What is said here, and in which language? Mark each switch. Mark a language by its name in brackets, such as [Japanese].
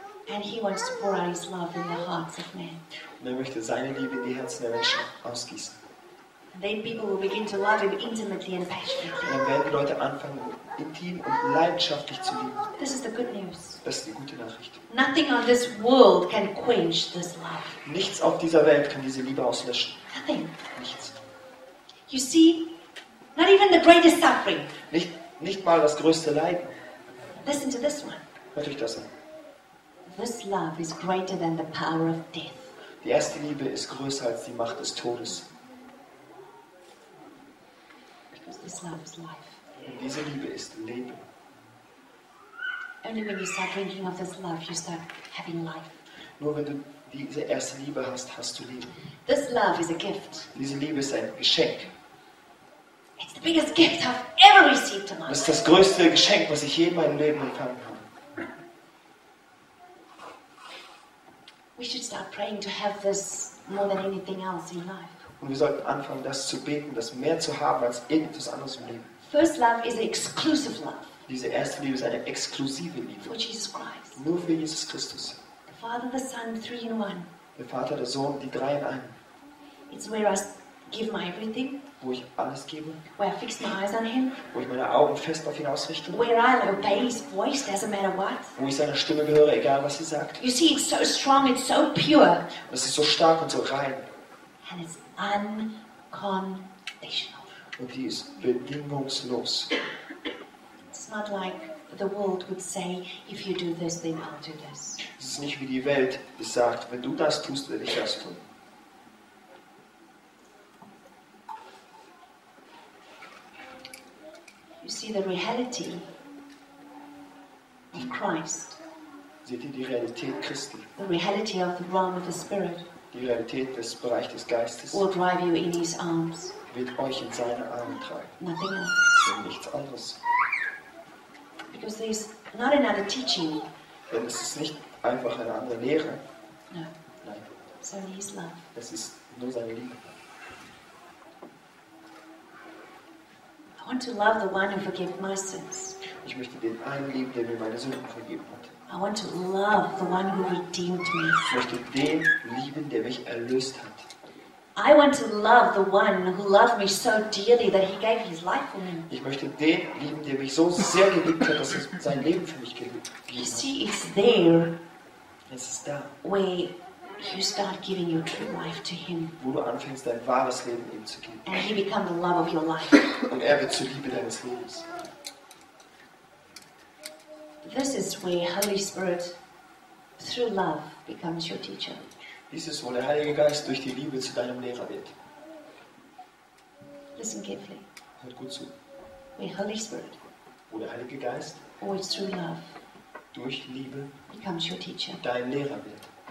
[English] And he wants to pour out his love in the hearts of men. [German] Und er möchte seine Liebe in die Herzen der Menschen ausgießen. [English] And then people will begin to love him intimately and passionately. [German] Und dann werden die Leute anfangen, intim und leidenschaftlich zu lieben. [English] This is the good news. [German] Das ist die gute Nachricht. [English] Nothing on this world can quench this love. [German] Nichts auf dieser Welt kann diese Liebe auslöschen. [English] Nothing. [German] Nichts. [English] You see, not even the greatest suffering. [German] Nicht mal das größte Leiden. [English] Listen to this one. [German] Hört euch das an. [English] This love is greater than the power of death. [German] Die erste Liebe ist größer als die Macht des Todes. [English] Because this love is life. [German] Und diese Liebe ist Leben. [English] Only when you start drinking of this love, you start having life. [German] Nur wenn du diese erste Liebe hast, hast du Leben. [English] This love is a gift. [German] Diese Liebe ist ein Geschenk. [English] It's the biggest gift I've ever received in my life. [German] Das ist das größte Geschenk, was ich je in meinem Leben empfangen habe. [English] We should start praying to have this more than anything else in life. [German] Und wir sollten anfangen, das zu beten, das mehr zu haben als irgendetwas anderes im Leben. [English] First love is an exclusive love. [German] Diese erste Liebe ist eine exklusive Liebe. [English] For Jesus Christ. [German] Nur für Jesus Christus. [English] The Father, the Son, three in one. [German] Der Vater, der Sohn, die drei in einem. [English] It's where I give my everything. [German] Wo ich alles gebe. [English] Where I fix my eyes on him. [German] Wo ich meine Augen fest auf ihn ausrichte. [English] Where I obey his voice, doesn't matter what. [German] Wo ich seiner Stimme gehöre, egal was sie sagt. [English] You see, it's so strong, it's so pure. [German] Es ist so stark und so rein. [English] And it's unconditional. [German] Und die ist bedingungslos. [English] It's not like the world would say, if you do this, then I'll do this. [German] Es ist nicht wie die Welt, die sagt, wenn du das tust, werde ich das tun. [English] You see the reality of Christ. [German] Seht ihr die Realität Christi? [English] The reality of the realm of the Spirit. [German] Die Realität des Bereichs des Geistes. [English] Will drive you in His arms. [German] Wird euch in seine Arme tragen. [English] Nothing else. [German] Denn nichts anderes. [English] Because there is not another teaching. [German] Denn es ist nicht einfach eine andere Lehre. [English] No. [German] Nein. [English] It's only His love. [German] Es ist nur seine Liebe. [English] I want to love the one who forgave my sins. [German] Ich möchte den einen lieben, der mir meine Sünden vergeben hat. [English] I want to love the one who redeemed me. [German] Ich möchte den lieben, der mich erlöst hat. [English] I want to love the one who loved me so dearly that he gave his life for me. [German] Ich möchte den lieben, der mich so sehr geliebt hat, dass er sein Leben für mich gegeben hat. [English] You see, it's there. [German] Es ist da. [English] Where you start giving your true life to him. [German] Wo du anfängst, dein wahres Leben ihm zu geben. [English] And he becomes the love of your life. [German] Und er wird zur Liebe deines Lebens. [English] This is where Holy Spirit, through love, becomes your teacher. [German] Dies ist, wo der Heilige Geist durch die Liebe zu deinem Lehrer wird. [English] Listen carefully. [German] Hört gut zu. [English] Where Holy Spirit, [German] wo der Heilige Geist, [English] always through love, [German] durch Liebe, [English] becomes your teacher. [German] Dein Lehrer wird.